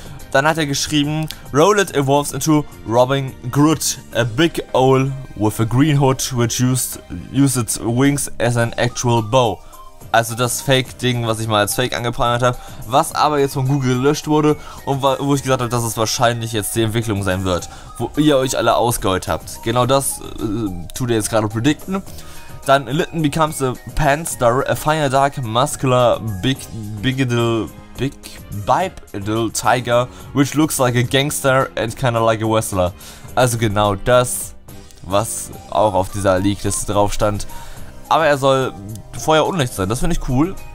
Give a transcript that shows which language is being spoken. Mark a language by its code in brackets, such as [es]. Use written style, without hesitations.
[de] Dann hat er geschrieben, [en] Rowlet evolves into Robin Grut, a big owl with a green hood, which uses its wings as an actual bow. [de] Also das Fake-Ding, was ich mal als Fake angeprangert habe, was aber jetzt von Google gelöscht wurde und wo ich gesagt habe, dass es wahrscheinlich jetzt die Entwicklung sein wird, wo ihr euch alle ausgeheult habt. Genau das tut ihr jetzt gerade predikten. Dann [en] Litten becomes a Panther, a fire dark, muscular, bipedal tiger, which looks like a gangster and kind of like a wrestler. [de] Also genau das, was auch auf dieser Leak-Liste drauf stand. Aber er soll Feuer und Licht sein. Das finde ich cool.